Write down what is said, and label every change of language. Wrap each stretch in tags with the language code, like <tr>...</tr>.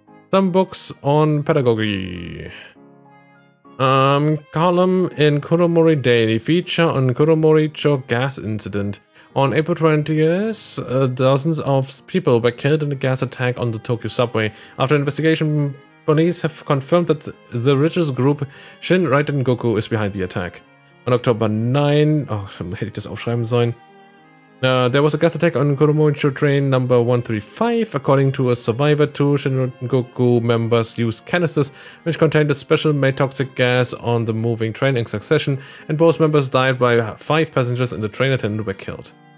<en>Some books on pedagogy. Column in Koromori Daily, feature on Koromori-cho gas incident. On April 20th, dozens of people were killed in a gas attack on the Tokyo subway. After investigation, police have confirmed that the religious group Shin Raiden Goku is behind the attack. On October 9th,</en> <de>hätte ich das aufschreiben sollen.</de> <en>There was a gas attack on Koromori-cho train number 135. According to a survivor, two Shinrin-goku members used canisters which contained a special made toxic gas on the moving train in succession, and both members died by 5 passengers and the train attendant were killed.</en>